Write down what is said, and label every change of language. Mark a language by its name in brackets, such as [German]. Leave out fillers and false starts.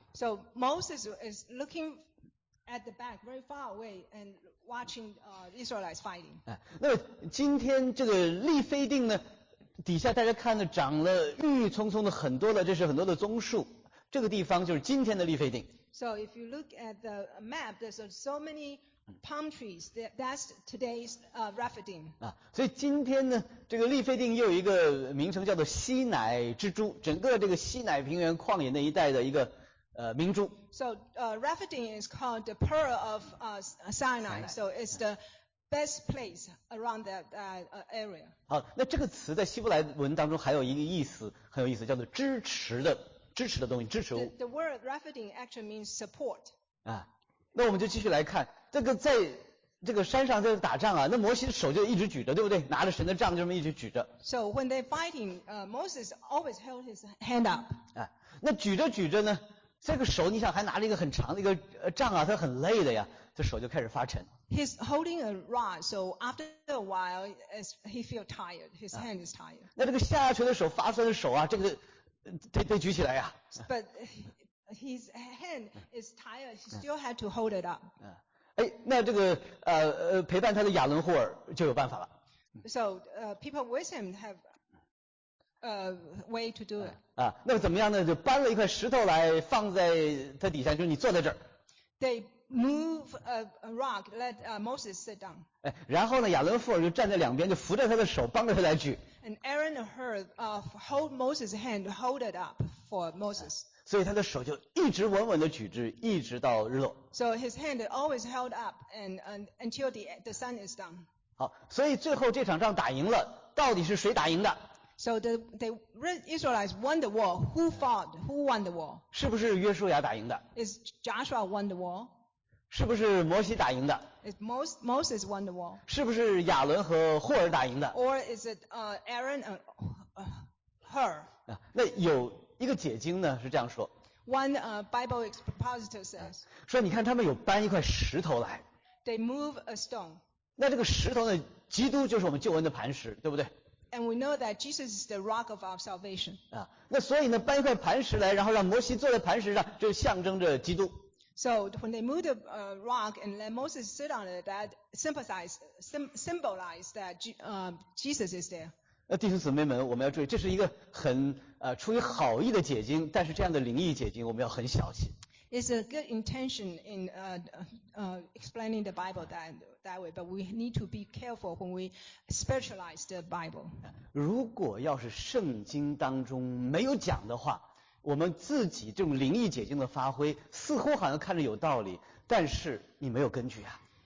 [English] So Moses is looking at the back, very far away, and watching Israelites fighting. [Chinese] 那今天这个利非定呢，底下大家看的长了郁郁葱葱的很多的，这是很多的棕树。这个地方就是今天的利非定。 [English] So if you look at the map, there's so many palm trees. That's today's Rephidim. [Chinese] 所以今天呢，这个利非定又有一个名称叫做西乃之珠，整个这个西乃平原旷野那一带的一个明珠。 [English] So Rephidim is called the Pearl of Sinai. So it's the best place around that area. [Chinese] 好，那这个词在希伯来文当中还有一个意思，很有意思，叫做支持的。支持的东西，支持物。 [English] The word Rephidim actually means support. [Chinese] 那我们就继续来看，这个在这个山上在打仗啊，那摩西的手就一直举着，对不对？拿着神的杖就这么一直举着。 [English] So when they're fighting, Moses always held his hand up. [Chinese] 那举着举着呢，这个手你想还拿着一个很长的一个杖啊，他很累的呀，这手就开始发沉。 [English] He's holding a rod, so after a while, he feels tired. His hand is tired. [Chinese] 那这个下垂的手、发酸的手啊，这个。得举起来呀、 [English] But his hand is tired. He still had to hold it up. [Chinese] 那这个陪伴他的亚伦霍尔就有办法了。 [English] So people with him have a way to do it. [Chinese] 那怎么样呢？就搬了一块石头来放在他底下，就是你坐在这儿。 [English] They move a rock, let Moses sit down. [Chinese] 然后呢，亚伦霍尔就站在两边，就扶着他的手，帮着他来举。 [English] And Aaron and Hur hold Moses' hand, hold it up for Moses. [Chinese] 所以他的手就一直稳稳地举着，一直到日落。 [English] So his hand always held up and until the sun is down. [Chinese] 好，所以最后这场仗打赢了，到底是谁打赢的？ [English] So the Israelites won the war. Who fought? Who won the war? [Chinese] 是不是约书亚打赢的？ [English] Is Joshua won the war? [Chinese] 是不是摩西打赢的？ [English] Is Moses won the war? [Chinese] 是不是亚伦和霍尔打赢的？ [English] Or is it Aaron and Hur? [Chinese] 那有一个解经呢，是这样说。 [English] One Bible expositor says. [Chinese] 说你看他们有搬一块石头来。 [English] They move a stone. [Chinese] 那这个石头呢，基督就是我们救恩的磐石，对不对？ [English] And we know that Jesus is the rock of our salvation. [Chinese] 那所以呢，搬一块磐石来，然后让摩西坐在磐石上，就象征着基督。 [English] So when they moved the rock and let Moses sit on it, that symbolized that Jesus is there. [Chinese] 弟兄姊妹们，我们要注意，这是一个很出于好意的解经，但是这样的灵异解经，我们要很小心。 [English] It's a good intention in explaining the Bible that way, but we need to be careful when we specialize the Bible. [Chinese] 如果要是圣经当中没有讲的话。我们自己这种灵异解经的发挥似乎好像看着有道理，但是你没有根据啊。